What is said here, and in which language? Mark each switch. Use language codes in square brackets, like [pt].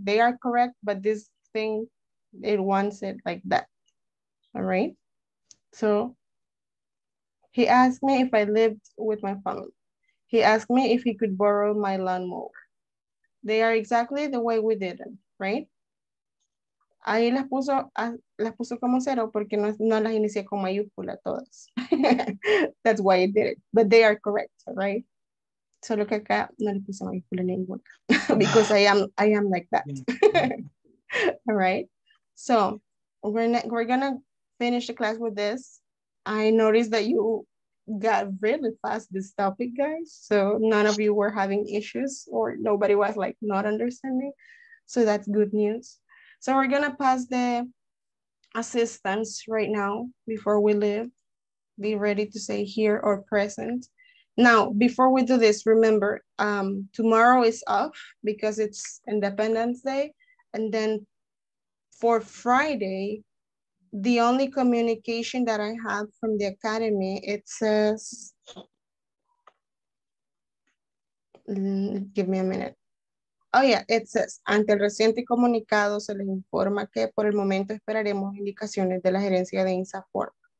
[en] They are correct, but this thing, it wants it like that. All right? So he asked me if I lived with my family. He asked me if he could borrow my lawnmower. They are exactly the way we did it, right? [es] Ahí las puso como cero porque no las inicié con mayúscula todas. [en] That's why I did it. But they are correct, right? [es] Solo que acá no le puse mayúscula ninguna. [en] Because I am like that. All right. So we're gonna finish the class with this. I noticed that you got really fast this topic, guys. So none of you were having issues or nobody was like not understanding. So that's good news. So we're gonna pass the assistance right now before we leave. Be ready to say here or present. Now, before we do this, remember, tomorrow is off because it's Independence Day. And then for Friday, the only communication that I have from the academy, it says, give me a minute. Oh yeah, it says, [es] ante el reciente comunicado se les informa que por el momento esperaremos indicaciones de la gerencia de INSAFORP.